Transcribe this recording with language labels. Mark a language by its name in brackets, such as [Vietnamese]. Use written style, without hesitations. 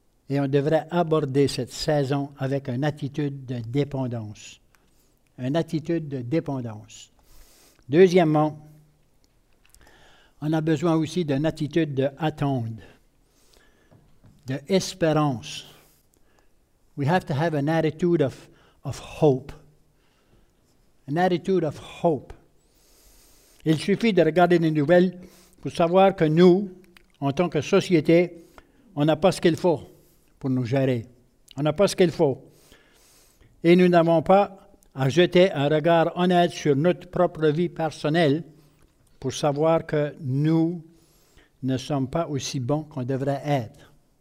[French] Et on devrait aborder cette saison avec une attitude de dépendance. Une attitude de dépendance. Deuxièmement, on a besoin aussi d'une attitude d'attente, d'espérance. [English] We have to have an attitude of hope. An attitude of hope. [French] Il suffit de regarder les nouvelles pour savoir que nous, en tant que société, on n'a pas ce qu'il faut pour nous gérer. On n'a pas ce qu'il faut. Et nous n'avons pas à jeter un regard honnête sur notre propre vie personnelle pour savoir que nous ne sommes pas aussi bons qu'on devrait être.